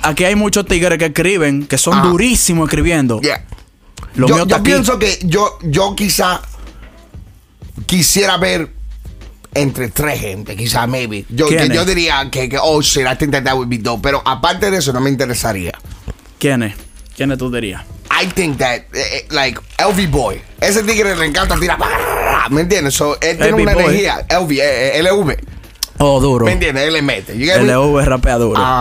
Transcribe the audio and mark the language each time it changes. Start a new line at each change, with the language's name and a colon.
Spanish: Aquí hay muchos tigres que escriben, que son durísimos escribiendo.
English: Yeah.
Spanish: Yo pienso que yo quizá quisiera ver entre tres gente, quizá, maybe. Yo diría que
English: oh, shit, I think that would be dope.
Spanish: Pero aparte de eso, no me interesaría. ¿Quién es? ¿Quién es tú dirías?
English: I think that, like, LV Boy.
Spanish: Ese tigre le encanta tirar. ¿Me entiendes? So, él tiene una energía. LV, LV. Oh, duro. ¿Me entiendes? Él le mete. LV es rapea duro.